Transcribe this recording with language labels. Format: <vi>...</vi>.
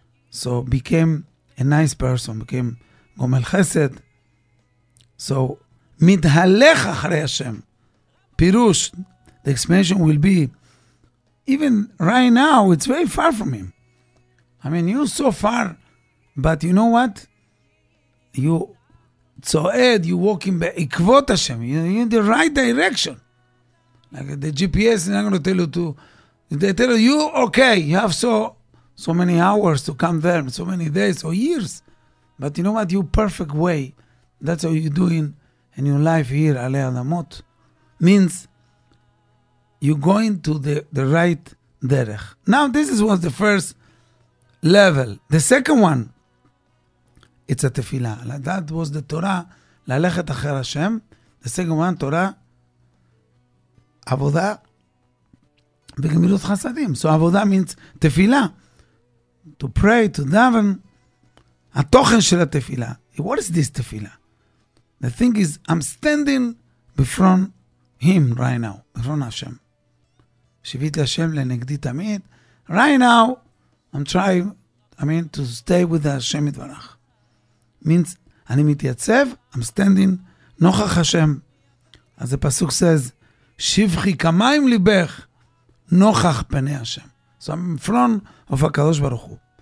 <en>So became a nice person. Became Gomel Chesed. So</en> <he>מתהלך אחרי השם. פירוש,</he> <en>the explanation will be, even right now, it's very far from him. I mean, you so far, but you know what? You צועד, you walk in</en> <he>בעקבות השם.</he> <en>You're in the right direction. Like the GPS, I'm going to tell you to, they tell you, okay, you have so many hours to come there, so many days or years, but you know what? You perfect way. That's how you're doing in your life here, Alei Adamot, means you're going to the right derech. Now, this is what the first level. The second one, it's a tefillah. Like that was the Torah, lalechet acher Hashem. The second one, Torah, avodah,</en> <he>וגמילות חסדים.</he> <en>So avodah means tefillah. To pray, to daven,</en> <he>התוכן של התפילה.</he> <en>What is this tefillah? The thing is, I'm standing before him right now. Before Hashem.</en> <he>Shiviti Hashem lenegdi tamid.</he> <en>Right now, I'm trying, I mean, to stay with the Hashem Yitbarach. Means,</en> <he>אני מתייצב,</he> <en>I'm standing, נוכח Hashem. As the pasuk says,</en> <he>שבחי כמיים ליבך, נוכח פני</he> <en>Hashem. So I'm in front of הקדוש ברוך הוא.</en>